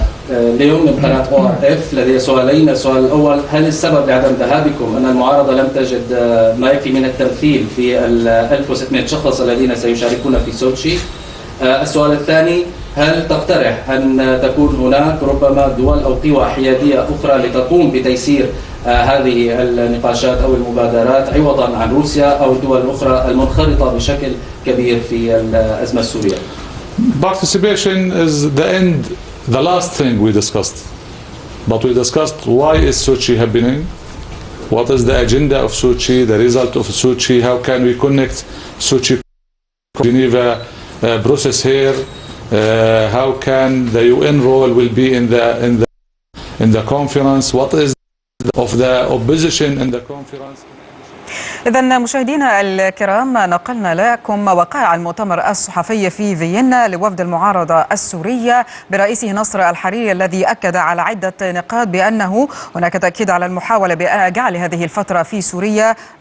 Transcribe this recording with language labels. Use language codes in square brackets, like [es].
[ar] اليوم من قناة ORF لدي سؤالين. السؤال الأول: هل السبب لعدم ذهابكم أن المعارضة لم تجد ما يكفي من التمثيل في 1600 شخص الذين سيشاركون في سوتشي؟ السؤال الثاني: هل تقترح أن تكون هناك ربما دول أو قوى حيادية أخرى لتقوم بتيسير هذه النقاشات أو المبادرات عوضا عن روسيا أو الدول الأخرى المنخرطة بشكل كبير في الأزمة السورية؟ [en] Participation is the end, the last thing we discussed. But we discussed why is Sochi happening? What is the agenda of Sochi, the result of Sochi? How can we connect Sochi Geneva process here? How can the UN role will be in the conference? What is of the opposition in the conference? [ar] إذن مشاهدينا الكرام، نقلنا لكم وقائع المؤتمر الصحفي في فيينا لوفد المعارضة السورية برئيسه نصر الحريري، الذي أكد على عدة نقاط بأنه هناك تأكيد على المحاولة بجعل هذه الفترة في سوريا